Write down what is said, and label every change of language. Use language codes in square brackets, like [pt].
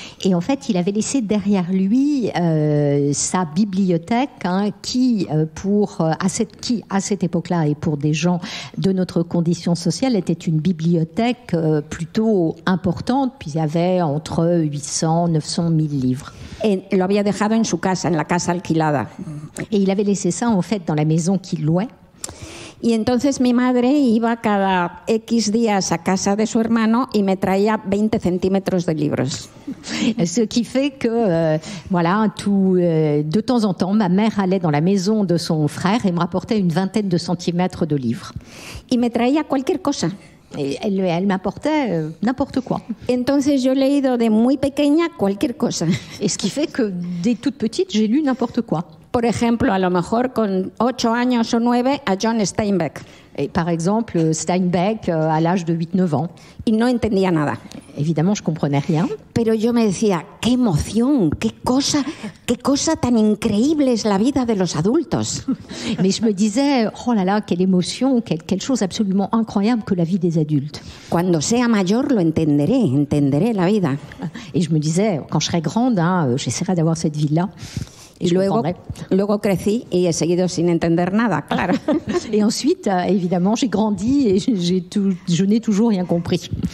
[fr] Et en fait, il avait laissé derrière lui sa bibliothèque, hein, qui, à cette époque-là, et pour des gens de notre condition sociale, était une bibliothèque plutôt importante, puis il y avait entre 800, 900, 1000 livres. Et il l'avait [es] dejado en su casa, en la casa alquilada. [fr] Et il avait laissé ça, en fait, dans la maison qu'il louait. [es] Y entonces mi madre iba cada X días a casa de su hermano y me traía 20 centímetros de libros. [fr] Ce qui fait que, voilà, de temps en temps, ma mère allait dans la maison de son frère et me rapportait une vingtaine de centimètres de livres. [es] Y me traía cualquier cosa. [fr] Elle m'apportait n'importe quoi. [es] Entonces yo he leído de muy pequeña cualquier cosa. [fr] Et ce qui fait que, dès toute petite, j'ai lu n'importe quoi. [es] Por ejemplo, a lo mejor con 8 años o 9 a John Steinbeck. [fr] Et par exemple, Steinbeck à l'âge de 8-9 ans. [es] Y no entendía nada. [fr] Évidemment, je comprenais rien. [es] Pero yo me decía, qué emoción, qué cosa tan increíble es la vida de los adultos. [fr] Mais je me disais, oh là là, quelle émotion, quelle chose absolument incroyable que la vie des adultes. [es] Cuando sea mayor lo entenderé, entenderé la vida. [fr] Et je me disais, quand je serai grande, hein, j'essaierai d'avoir cette vie-là. [es] Luego crecí y he seguido sin entender nada, claro. [fr] Et ensuite, évidemment, j'ai grandi et je n'ai toujours rien compris.